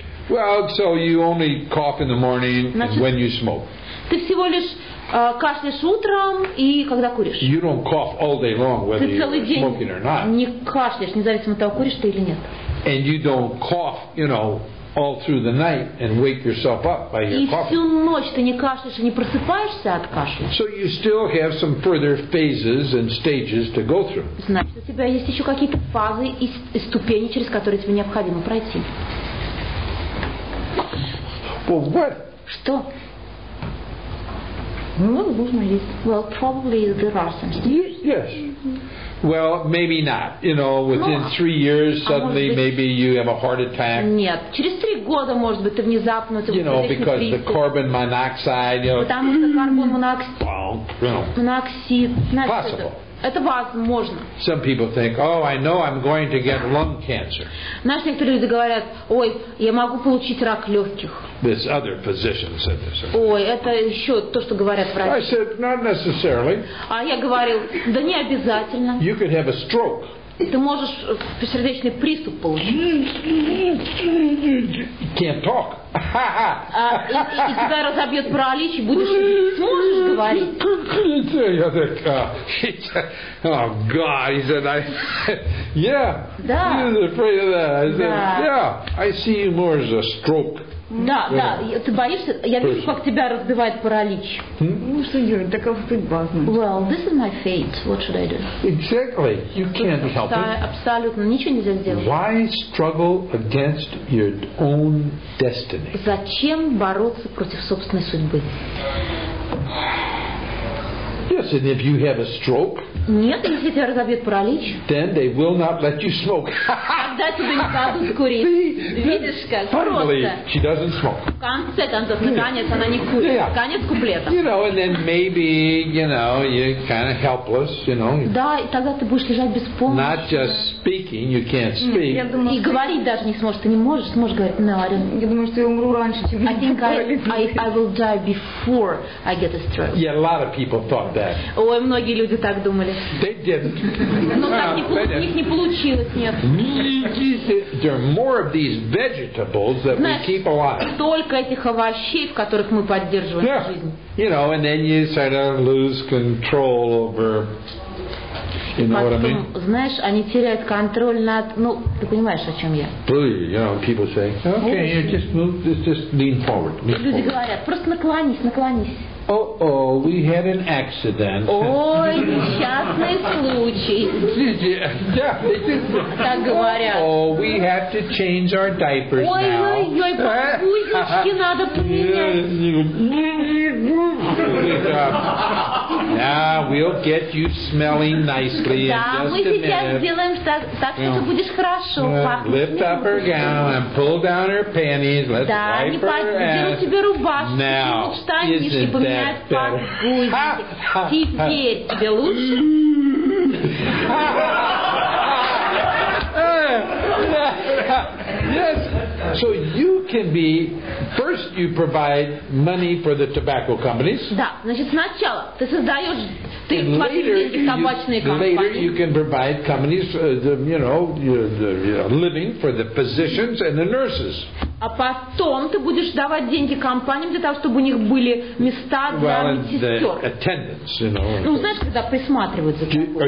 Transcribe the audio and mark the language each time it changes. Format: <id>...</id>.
<en>Well, so you only cough in the morning when you smoke.</en> <ru>Ты всего лишь кашляешь утром и когда куришь.</ru> <en>You don't cough all day long whether you're smoking or not.</en> <ru>Ты целый день не кашляешь, независимо от того, куришь ты или нет.</ru> <en>And you don't cough, you know, all through the night and wake yourself up by your coughing.</en> <ru>И всю ночь ты не кашляешь, не просыпаешься от кашля.</ru> <en>So you still have some further phases and stages to go through.</en> <ru>Значит, у тебя есть еще какие-то фазы и ступени, через которые тебе необходимо пройти.</ru> <en>Well, what?</en> <ru>Что? Ну, возможно, есть.</ru> <en>Well, probably there are some stages. Yes. Well, maybe not. You know, within 3 years, suddenly, maybe you have a heart attack.</en> <ru>Нет, через 3 года, может быть, ты внезапно.</ru> <en>You know, because the carbon monoxide. You know.</en> <ru>Потому что карбон моноксид. Моноксид.</ru> <en>Possible.</en> <ru>Это возможно.</ru> <en>Some people think, oh, I know, I'm going to get lung cancer.</en> <ru>Знаешь, некоторые люди говорят, ой, я могу получить рак легких.</ru> <en>This other physician said this.</en> <ru>Ой, это еще то, что говорят врачи.</ru> <en>I said, not necessarily.</en> <ru>А я говорил, да не обязательно.</ru> <en>You could have a stroke.</en> <ru>Ты можешь сердечный приступ получить.</ru> <en>Can't talk.</en> <ru>И тебя разобьет паралич, и будешь, сможешь говорить. Я так,</ru> <en>о, God, he said, I, yeah.</en> <ru>Да.</ru> <en>He was afraid of that. I said, yeah, I see you more as a stroke.</en> <ru>Да, да, ты боишься? Я вижу, как тебя разбивает паралич. Ну что делать? Такая судьба, значит.</ru> <en>Well, this is my fate. What should I do? Exactly. You can't help it.</en> <ru>Абсолютно. Ничего нельзя сделать.</ru> <en>Why struggle against your own destiny?</en> <ru>Зачем бороться против собственной судьбы?</ru> <en>Yes, and if you have a stroke,</en> <ru>нет, если тебя разобьет паралич,</ru> <en>then they will not let you smoke.</en> <ru>Тогда тебе не дадут курить. Видишь, как просто.</ru> <en>Finally, she doesn't smoke.</en> <ru>В конце концов, наконец, она не курит.</ru> <en>Yeah.</en> <ru>Конец куплета.</ru> <en>You know, and then maybe, you know, you're kind of helpless, you know.</en> <ru>Да, тогда ты будешь лежать без помощи.</ru> <en>Not just speaking, you can't speak.</en> <ru>Я думала, и говорить даже не сможешь. Ты не можешь, сможешь говорить.</ru> <en>No,</en> <ru>я думаю, что я умру раньше, чем</ru> <en>I think I will die before I get a stroke. Yeah, a lot of people thought that.</en> <ru>Ой, многие люди так думали.</ru> <en>They didn't.</en> <ru>Но так у них не получилось, нет.</ru> <en>There are more of these vegetables that we keep alive.</en> <ru>Только этих овощей, в которых мы поддерживаем жизнь.</ru> <en>You know, and then you sort of lose control over. You know what I mean?</en> <ru>Знаешь, они теряют контроль над. Ну, ты понимаешь, о чем я?</ru> <en>You know, people say, okay, just move, just lean forward.</en> <ru>Люди говорят, просто наклонись.</ru> <en>Oh, we had an accident.</en> <ru>Ой, несчастный случай.</ru> <en>Excuse me.</en> <ru>Так говорят.</ru> <en>Oh, we have to change our diapers now.</en> <ru>Ой, папульнички надо поменять.</ru> <en>Now we'll get you smelling nicely in just a minute.</en> <ru>Да, мы сейчас сделаем так, что ты будешь хорошо пахнуть.</ru> <en>Lift up her gown and pull down her panties. Let's wipe her ass.</en> <ru>Да, не тебе рубашку.</ru> <en>Now, isn't that Yes. So you can be first. You provide money for the tobacco companies.</en> <ru>Да, значит сначала ты создаешь, ты платишь табачные компании.</ru> <en>Later you can provide companies, living for the physicians and the nurses.</en> <ru>А потом ты будешь давать деньги компаниям для того, чтобы у них были места для медсестер. Ну, знаешь, когда присматривают за тобой.</ru>